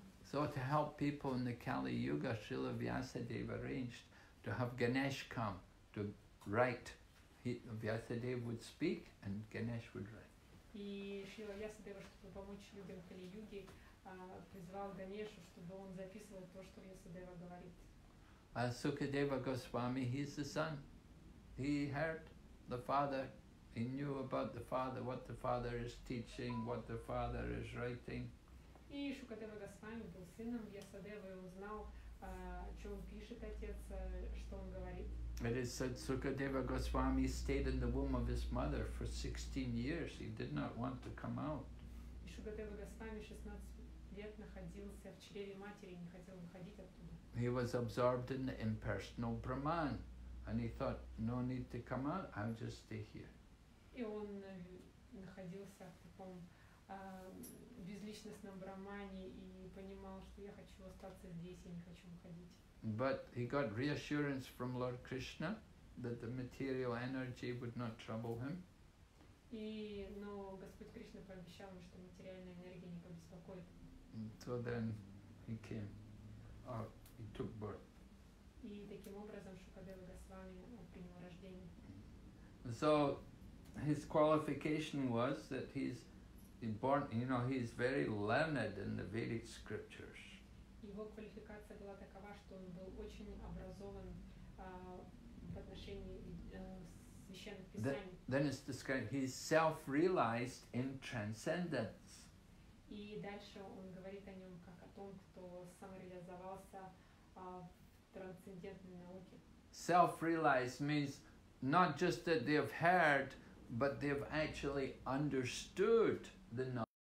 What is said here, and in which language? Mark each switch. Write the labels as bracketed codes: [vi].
[en] So to help people in the Kali Yuga, Srila Vyasadeva arranged to have Ganesh come to write. Vyasadeva would speak and Ganesh would write. [ru] И Шрила Вьясадева, чтобы помочь людям Кали-юги, призвал Ганешу, чтобы он записывал то, что Вьясадева говорит. [en] Sukadeva Goswami, he's the son. He heard the father. He knew about the father is teaching, what the father is writing. [ru] И Шукадева Госвами был сыном Вьясадевы, и узнал, о чем пишет отец, что он говорит. [en] It is said Sukadeva Goswami stayed in the womb of his mother for 16 years. He did not want to come out. [ru] Шукадева Госвами 16 лет находился в чреве матери и не хотел выходить оттуда. [en] He was absorbed in the impersonal Brahman, and he thought, no need to come out, I'll just stay here. [ru] И он находился в таком безличностном Брамане и понимал, что я хочу остаться здесь, я не хочу выходить. [en] But he got reassurance from Lord Krishna that the material energy would not trouble him. [ru] Но Господь Кришна пообещал ему, что материальная энергия не побеспокоит. [en] So then he came, or he took birth. [ru] И таким образом Шукадева Госвами принял рождение. [en] So his qualification was that he's born, you know, he's very learned in the Vedic scriptures. [ru] Его квалификация была такова, что он был очень образован в отношении священных писаний. [en] Then it's described, he's self-realized in transcendence. [ru] И дальше он говорит о нем как о том, кто самореализовался в трансцендентной науке. [en] Self-realized means not just that they've heard, but they've actually understood the knowledge.